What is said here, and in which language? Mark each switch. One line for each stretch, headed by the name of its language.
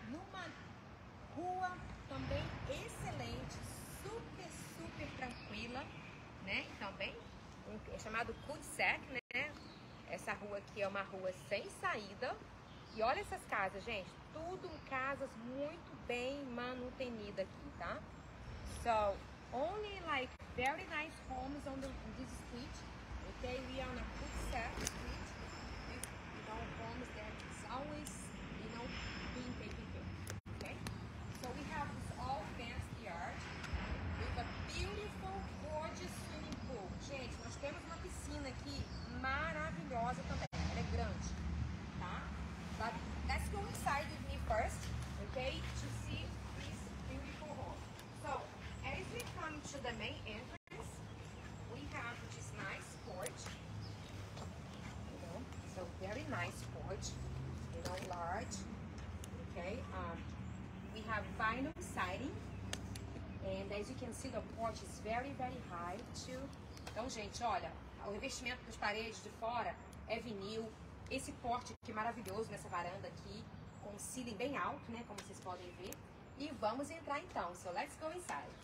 Portuguese: Numa rua também excelente, super, super tranquila, né? Também é chamado cul-de-sac, né? Essa rua aqui é uma rua sem saída. E olha essas casas, gente. Tudo em casas muito bem manutenidas aqui, tá?
English: So, only like very nice homes on this street. Okay, we are on a cul-de-sac street. With our homes that is always, you know, being taken care of. Okay? So we have this all fenced yard with a beautiful, gorgeous swimming pool.
Portuguese: Gente, nós temos uma piscina aqui maravilhosa também. Ela é grande, tá?
English: But let's go inside with me first, okay, to see this beautiful home. So, as we come to the main entrance, we have this nice porch, you know, so very nice porch, you know, large, okay. We have vinyl siding, and as you can see, the porch is very, very high too.
Portuguese: Então, gente, olha, o revestimento das paredes de fora é vinil. Esse porte aqui maravilhoso nessa varanda aqui, com ceiling bem alto, né, como vocês podem ver. E vamos entrar então,
English: so let's go inside.